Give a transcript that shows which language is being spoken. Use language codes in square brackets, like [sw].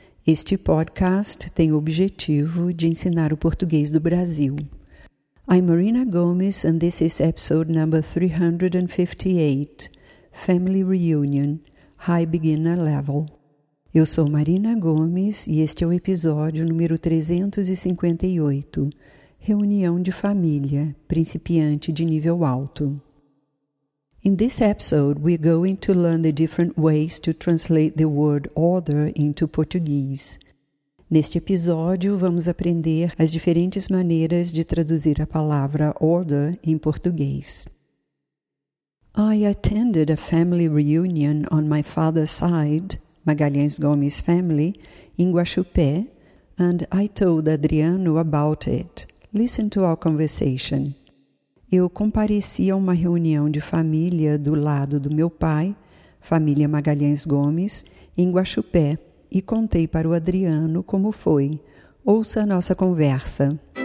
[pt] Este podcast tem o objetivo de ensinar o português do Brasil. [en] I'm Marina Gomes and this is episode number 358, Family Reunion, High Beginner Level. [pt] Eu sou Marina Gomes e este é o episódio número 358, Reunião de Família, Principiante de Nível Alto. [en] In this episode, we're going to learn the different ways to translate the word order into Portuguese. [pt] Neste episódio, vamos aprender as diferentes maneiras de traduzir a palavra order em português. [en] I attended a family reunion on my father's side, Magalhães Gomes family, in Guaxupé, and I told Adriano about it. Listen to our conversation. [pt] Eu compareci a uma reunião de família do lado do meu pai, família Magalhães Gomes, em Guaxupé, e contei para o Adriano como foi. Ouça a nossa conversa.